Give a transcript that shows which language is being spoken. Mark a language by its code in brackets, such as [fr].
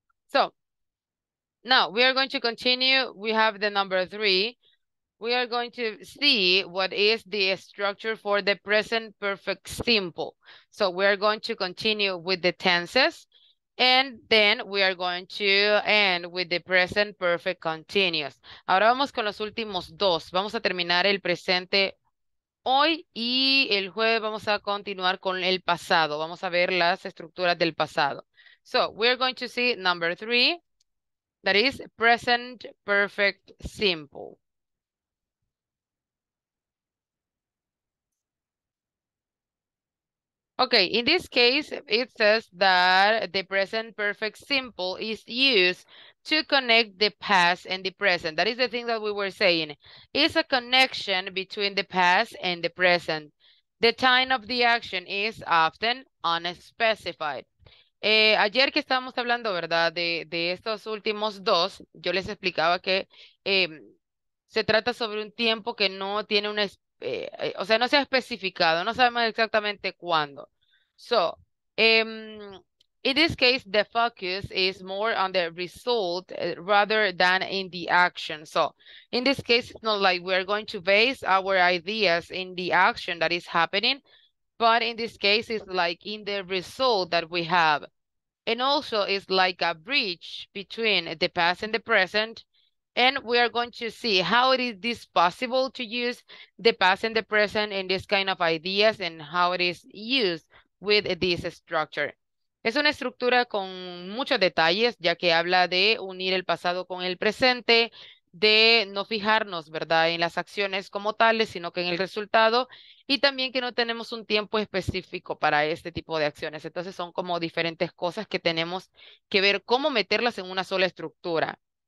[en] So, now we are going to continue. We have the number three. We are going to see what is the structure for the present perfect simple. So we are going to continue with the tenses, and then we are going to end with the present perfect continuous. [es] Ahora vamos con los últimos dos. Vamos a terminar el presente hoy, y el jueves vamos a continuar con el pasado. Vamos a ver las estructuras del pasado. [en] So, we're going to see number three, that is present perfect simple. Okay, in this case, it says that the present perfect simple is used to connect the past and the present. That is the thing that we were saying. It's a connection between the past and the present. The time of the action is often unspecified. [es] Ayer que estábamos hablando, ¿verdad?, de estos últimos dos, yo les explicaba que se trata sobre un tiempo que no tiene una, o sea, no se ha especificado, no sabemos exactamente cuándo. [en] So, in this case, the focus is more on the result rather than in the action. So, in this case, it's not like we're going to base our ideas in the action that is happening. But in this case, it's like in the result that we have. And also, it's like a bridge between the past and the present. And we are going to see how it is this possible to use the past and the present in this kind of ideas and how it is used with this structure. [es] Es una estructura con muchos detalles, ya que habla de unir el pasado con el presente, de no fijarnos, ¿verdad?, en las acciones como tales, sino que en el resultado, y también que no tenemos un tiempo específico para este tipo de acciones. Entonces son como diferentes cosas que tenemos que ver cómo meterlas en una sola estructura.